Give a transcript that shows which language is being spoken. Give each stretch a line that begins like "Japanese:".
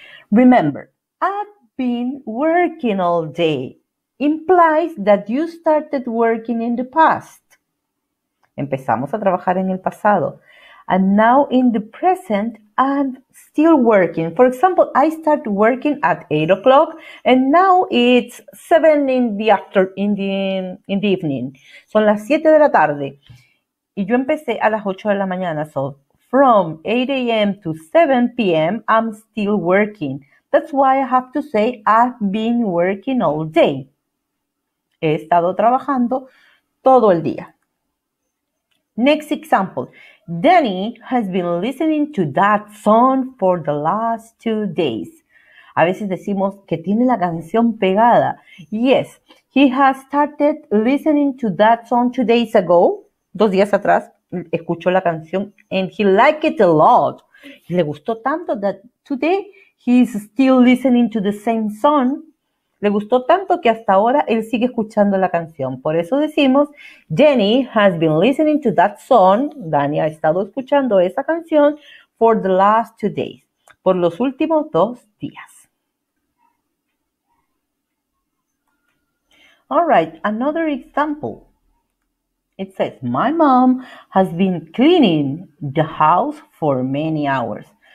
English: Remember, I've been working all day implies that you started working in the past.
Spanish: Empezamos a trabajar en el pasado.
English: And now in the present, I'm still working. For example, I start working at 8 o'clock and now it's 7 in the evening.
Spanish: Son las 7 de la tarde y yo empecé a las 8 de la mañana.
English: So from 8 a.m. to 7 p.m. I'm still working. That's why I have to say I've been working all day.
Spanish: He estado trabajando todo el día.
English: Next example. Danny has been listening to that song for the last 2 days.
Spanish: A veces decimos que tiene la canción pegada.
English: Yes, he has started listening to that song 2 days ago.
Spanish: 2 días atrás escuchó la canción
English: and he liked it a lot.
Spanish: Y le gustó tanto
English: that today he is still listening to the same song.
Spanish: Le gustó tanto que hasta ahora él sigue escuchando la canción. Por eso decimos,
English: Danny has been listening to that song.
Spanish: Danny ha estado escuchando esa canción
English: for the last 2 days.
Spanish: Por los últimos 2 días.
English: All right, another example. It says, my mom has been cleaning the house for many hours.